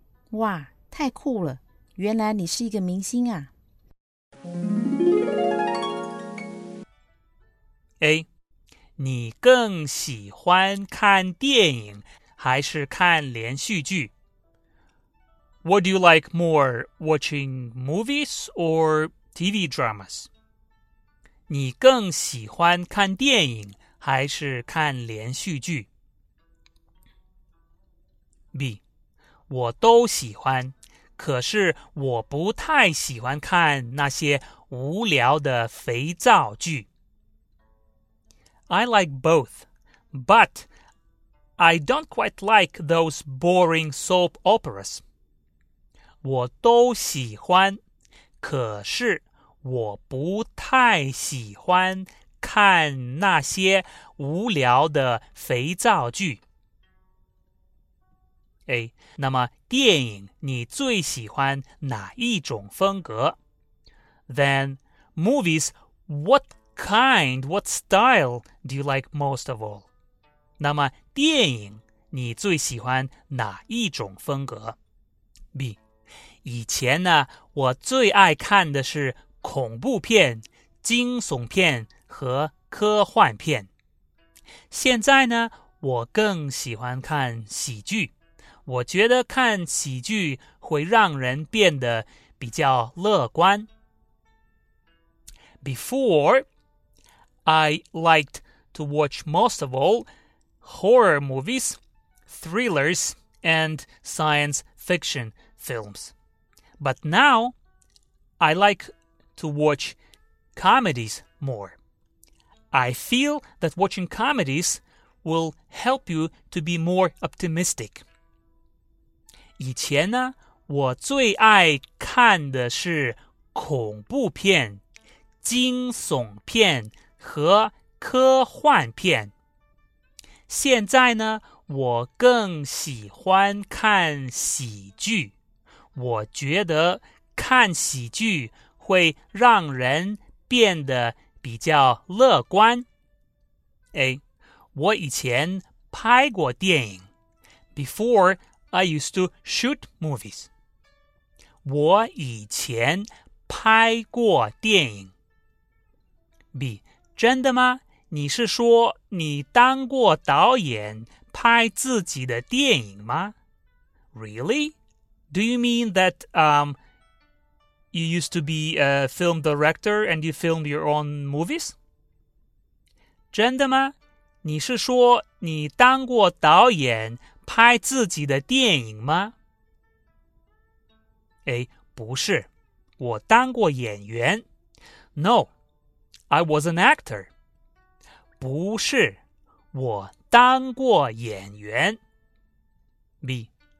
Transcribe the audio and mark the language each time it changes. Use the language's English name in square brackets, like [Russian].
[Chinese] 哇，太酷了，原来你是一个明星啊。 A， 你更喜欢看电影还是看连续剧？ [English] What do you like more, watching movies or TV dramas? [Chinese] 你更喜欢看电影还是看连续剧？ B， 我都喜欢，可是我不太喜欢看那些无聊的肥皂剧。 [English] I like both, but I don't quite like those boring soap operas. [Chinese] 我都喜欢，可是我不太喜欢看那些无聊的肥皂剧。哎，那么电影你最喜欢哪一种风格？ [English] Then movies, what kind, what style do you like most of all? [Chinese] 那么电影你最喜欢哪一种风格？ B. 以前呢，我最爱看的是恐怖片、惊悚片和科幻片。现在呢，我更喜欢看喜剧。我觉得看喜剧会让人变得比较乐观。 [English] Before, I liked to watch most of all horror movies, thrillers, and science fiction films. But now, I like to watch comedies more. I feel that watching comedies will help you to be more optimistic. [Chinese] 以前呢，我最爱看的是恐怖片、惊悚片和科幻片。现在呢，我更喜欢看喜剧。我觉得看喜剧会让人变得比较乐观。 A. 我以前拍过电影。 [English] Before,I used to shoot movies. [Chinese] 我以前拍过电影。B. 真的吗？你是说你当过导演拍自己的电影吗？ [English] Really? Do you mean that, you used to be a film director and you filmed your own movies? [Chinese] 真的吗？你是说你当过导演拍自己的电影吗？哎，不是，我当过演员。 [English] No, I was an actor. [Chinese] 不是，我当过演员。B.